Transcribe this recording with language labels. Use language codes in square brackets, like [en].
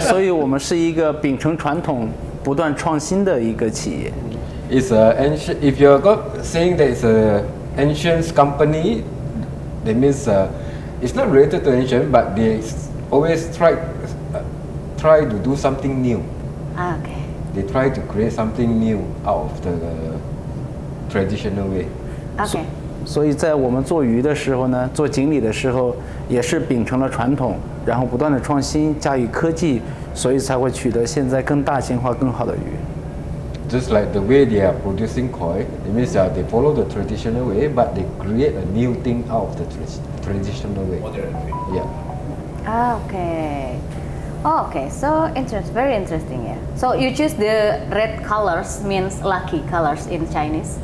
[zh] 所以我们是一个秉承传统、不断创新的一个企业。 [en] It's a ancient. If you're got saying that it's a ancient company, that means it's not related to ancient, but they always try to do something new. Okay. They try to create something new out of the traditional way. Okay. [zh] 所以在我们做鱼的时候呢，做锦鲤的时候，也是秉承了传统，然后不断的创新，加以科技，所以才会取得现在更大型化、更好的鱼。 [en] Just like the way they are producing koi, it means that they follow the traditional way, but they create a new thing out of the traditional way. Yeah. Ah, okay. Oh, okay. So interest, very interesting. Yeah. So you choose the red colors means lucky colors in Chinese.